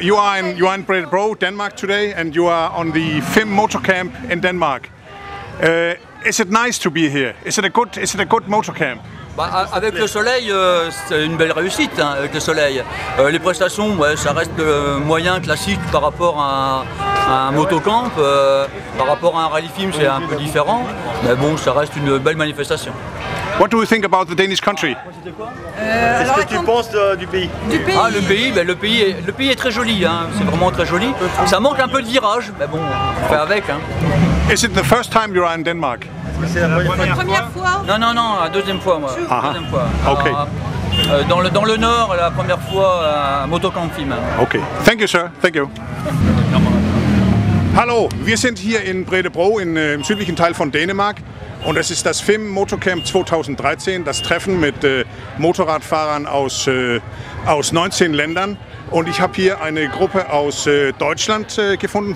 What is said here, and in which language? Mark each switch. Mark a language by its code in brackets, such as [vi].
[en] You are in Bredebro, Denmark today, and you are on the FIM Motocamp in Denmark. Is it nice to be here? Is it a good motocamp? [fr] Bah, avec le soleil, c'est une belle réussite, hein, avec le soleil. Les prestations, ouais, ça reste moyen, classique par rapport à un motocamp. Par rapport à un rally film, c'est un peu différent. Mais bon, ça reste une belle manifestation. [en] What do you think about the Danish country? [fr] Qu'est-ce que tu penses du pays? Du pays. Ah, le pays est très joli, hein. C'est vraiment très joli. Ça manque un peu de virage, mais bon, on fait avec. Hein. [en] Is it the first time you are in Denmark? [fr] C'est la première fois. Non, la deuxième fois, moi. Uh-huh. Deuxième fois. [en] Okay. [fr] Dans le nord, la première fois à motocamp film. [en] Okay. Thank you, sir. Thank you. [de] Hallo, wir sind hier in Bredebro, im südlichen Teil von Dänemark. Und es ist das FIM Motocamp 2013, das Treffen mit Motorradfahrern aus 19 Ländern. Und ich habe hier eine Gruppe aus Deutschland gefunden.